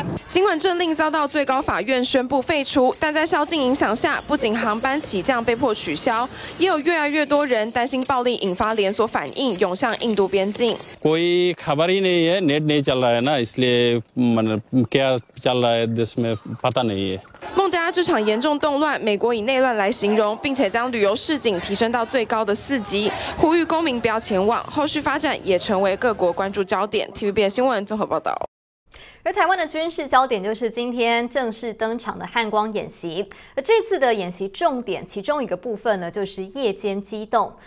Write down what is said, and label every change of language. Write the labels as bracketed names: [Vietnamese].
[Chinese] 尽管政令遭到最高法院宣布废除，但在宵禁影响下，不仅航班起降被迫取消，也有越来越多人担心暴力引发连锁反应，涌向印度边境。 [Hindi] कोई खबर ही नहीं है, नेट नहीं चल रहा है ना, इसलिए मतलब क्या चल रहा है देश में पता नहीं है。 [Chinese] 孟加拉这场严重动乱，美国以内乱来形容，并且将旅游市警提升到最高的4级，呼吁公民不要前往。后续发展也成为各国关注焦点。TVBS 新闻综合报道。而台湾的军事焦点就是今天正式登场的汉光演习，而这次的演习重点其中一个部分呢，就是夜间机动。